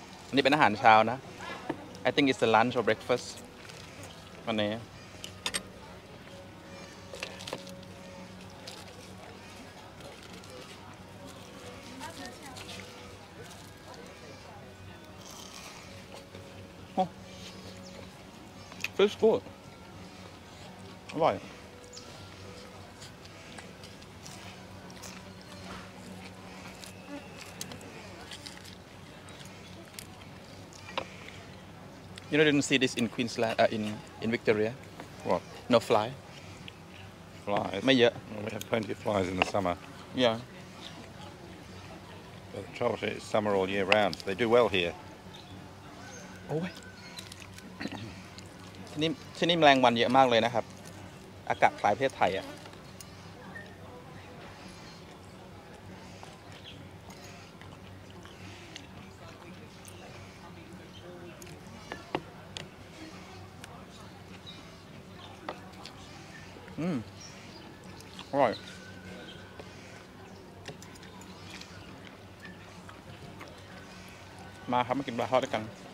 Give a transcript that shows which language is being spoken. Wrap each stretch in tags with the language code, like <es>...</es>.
<th>อันนี้เป็นอาหารเช้านะ</th> <en>I think it's the lunch or breakfast</en> <th>วันนี้</th> <en>oh. Fish food อร่อยYou know, didn't see this in Queensland, in Victoria. What? No fly. Flies. Not yet. Well, we have plenty of flies in the summer. Yeah. But the trouble is, it's summer all year round. They do well here. Oh.</en> <th>ที่นี่แมลงวันเยอะมากเลยนะครับอากาศคล้ายประเทศไทยอ่ะอร่อยมาครับมากินปลาทอดด้วยกัน</th>